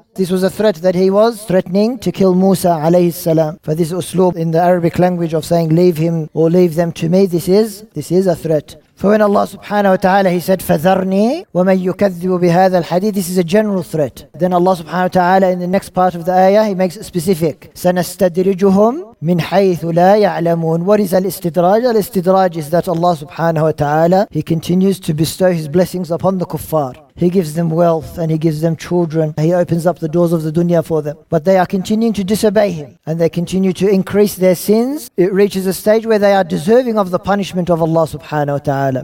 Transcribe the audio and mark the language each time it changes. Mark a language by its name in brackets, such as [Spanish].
[English] This was a threat that he was threatening to kill Musa alayhi salam. For this usloob in the Arabic language of saying leave him or leave them to me, this is a threat. For when Allah subhanahu wa ta'ala, he said, [Arabic] فَذَرْنِي وَمَن يُكَذِّبُ بِهَذَا الْحَدِيثِ [English] This is a general threat. Then Allah subhanahu wa ta'ala in the next part of the ayah, he makes it specific. [Arabic] سَنَسْتَدْرِجُهُمْ مِنْ حَيْثُ لَا يَعْلَمُونَ [English] What is al-istidraj? Al-istidraj is that Allah subhanahu wa ta'ala, he continues to bestow his blessings upon the kuffar. He gives them wealth and he gives them children. He opens up the doors of the dunya for them. But they are continuing to disobey him and they continue to increase their sins. It reaches a stage where they are deserving of the punishment of Allah subhanahu wa ta'ala.